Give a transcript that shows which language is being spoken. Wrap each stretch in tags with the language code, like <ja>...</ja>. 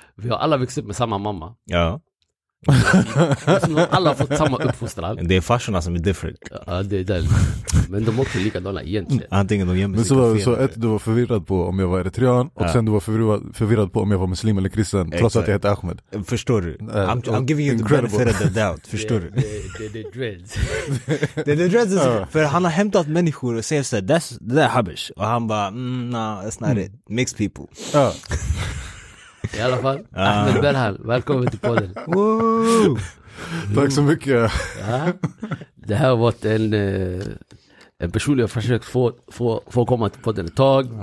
<sv>Vi har alla växt upp med samma mamma. Ja. Alla har fått samma uppfostran. Det är farsorna som är different. Ja, det är det. Men de åker likadana egentligen. Antingen de jämmer sig. Men så ett, du var förvirrad på om jag var eritrean. Och sen du var förvirrad på om jag var muslim eller kristen. Exakt. Trots att jag heter Ahmed. Förstår du?</sv> <en>I'm giving you incredible. The benefit of the doubt.</en> <sv>Förstår du? Det är dreads. Det är dreads. För han har hämtat människor och säger såhär, det där är Habesh. Och han bara,</sv> <en>nah, that's not it. Mixed people.</en> <sv>Ja. I alla fall, Ahmed Berhal, välkommen till podden. Tack så mycket. Det här har varit en person jag försökt få komma till podden ett tag.</sv>